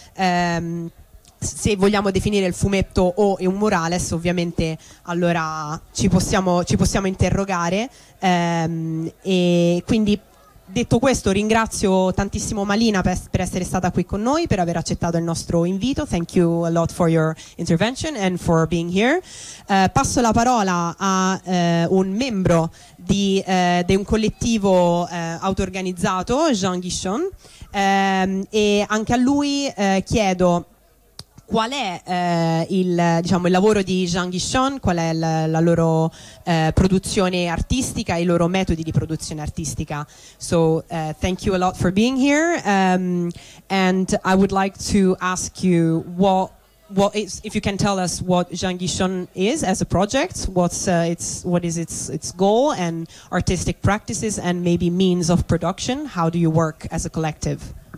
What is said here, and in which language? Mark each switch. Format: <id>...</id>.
<it>Se vogliamo definire il fumetto o un murales, ovviamente allora ci possiamo interrogare, e quindi. Detto questo, ringrazio tantissimo Malina per essere stata qui con noi, per aver accettato il nostro invito.</it> <en>Thank you a lot for your intervention and for being here.</en> <it>Passo la parola a un membro di un collettivo auto-organizzato, Jean Guichon, e anche a lui chiedo qual è il lavoro di Jean Guichon, qual è la loro produzione artistica e i loro metodi di produzione artistica.</it> <en>So thank you a lot for being here, and I would like to ask you what is, if you can tell us what Jean Guichon is as a project, what is its goal and artistic practices and maybe means of production, how do you work as a collective.</en>